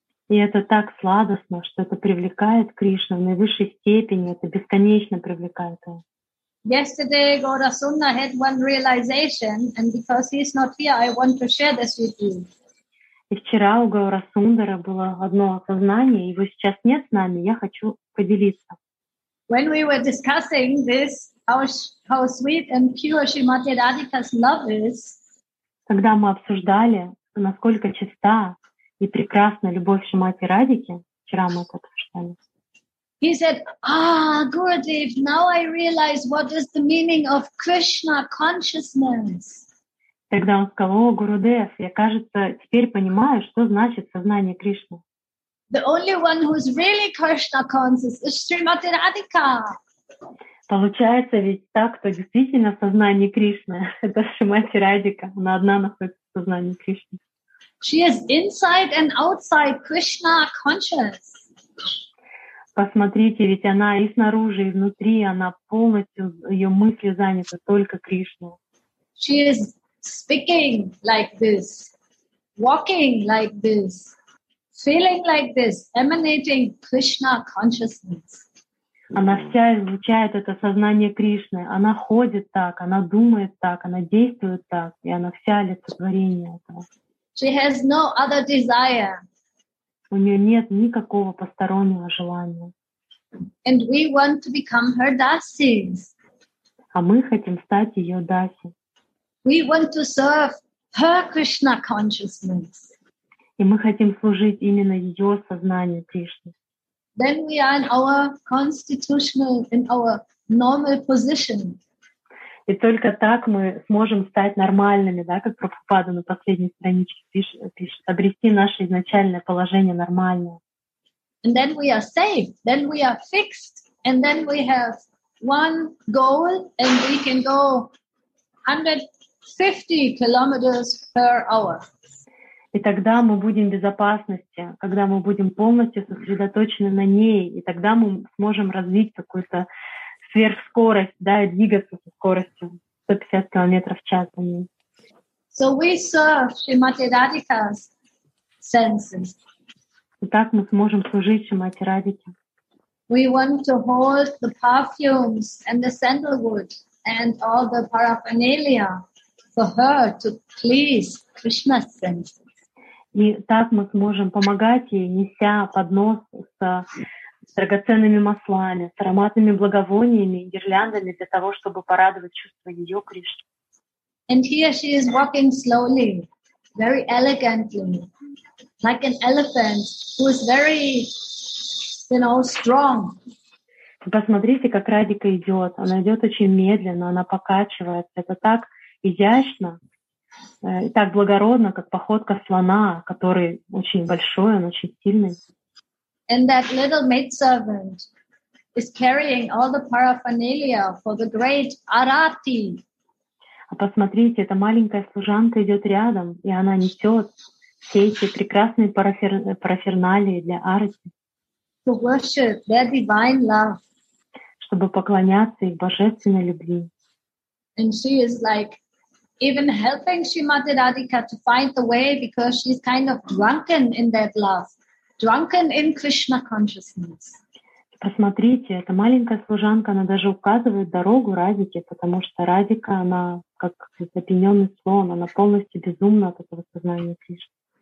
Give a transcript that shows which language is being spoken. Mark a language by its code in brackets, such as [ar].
[ru] И это так сладостно, что это привлекает Кришну в наивысшей степени, это бесконечно привлекает его. [en] Yesterday, Gaurasundara had one realization, and because he's not here, I want to share this with you. [ru] И вчера у Гаурасундары было одно осознание, его сейчас нет с нами, я хочу поделиться. [en] When we were discussing this, how sweet and pure Shrimati Radhika's love is. [ru] Когда мы обсуждали, насколько чиста и прекрасна любовь Шримати Радики, вчера мы это обсуждали. [en] He said, "Ah, Gurudev, now I realize what is the meaning of Krishna consciousness." [ru] Тогда он сказал: "О, Гурудев, я, кажется, теперь понимаю, что значит сознание Кришны." [en] The only one who is really Krishna conscious is Shrimati Radhika. [ru] Получается ведь так, кто действительно в сознании Кришны, это Шримати Радика, она одна находится в сознании Кришны. [en] She is inside and outside Krishna conscious. [ru] Посмотрите, ведь она и снаружи, и внутри, она полностью, ее мысли заняты только Кришной. [en] She is speaking like this, walking like this, feeling like this, emanating Krishna consciousness. [ru] Она вся излучает это сознание Кришны. Она ходит так, она думает так, она действует так, и она вся олицетворение этого. [en] She has no other desire. [ru] У нее нет никакого постороннего желания. [en] And we want to become her dasis. [ru] А мы хотим стать ее даси. [en] We want to serve her Krishna consciousness. [ru] И мы хотим служить именно ее сознанию Кришны. [en] Then we are in our constitutional, in our normal position. [ru] И только так мы сможем стать нормальными, да, как Прабхупада на последней страничке пишет, обрести наше изначальное положение нормальное. [en] And then we are safe, then we are fixed, and then we have one goal, and we can go 150 kilometers per hour. [ru] И тогда мы будем в безопасности, когда мы будем полностью сосредоточены на ней, и тогда мы сможем развить какую-то сверхскорость, да, и двигаться со скоростью 150 км в час по ней. [en] So we serve Shrimati Radhika's senses. [ru] И так мы сможем служить Шримати Радхике. [en] We want to hold the perfumes and the sandalwood and all the paraphernalia for her to please Krishna's senses. [ru] И так мы сможем помогать ей, неся поднос с драгоценными маслами, с ароматными благовониями, гирляндами для того, чтобы порадовать чувства ее Кришны. [en] And here she is walking slowly, very elegantly, like an elephant who is very, you know, strong. [ru] Посмотрите, как Радика идет. Она идет очень медленно, она покачивается. Это так изящно. И так благородно, как походка слона, который очень большой, он очень сильный. [en] And that little maidservant is carrying all the paraphernalia for the great Arati. [ru] А посмотрите, эта маленькая служанка идет рядом, и она несет все эти прекрасные параферналии для Арати. [en] To worship their divine love. [ru] Чтобы поклоняться их божественной любви. [en] And she is like even helping Shrimati Radhika to find the way because she's kind of drunken in that love, drunken in Krishna consciousness. [ru] посмотрите, эта маленькая служанка, она даже указывает дорогу Радике, потому что Радика, она как запенённый слон, она полностью безумна от этого сознания Кришны.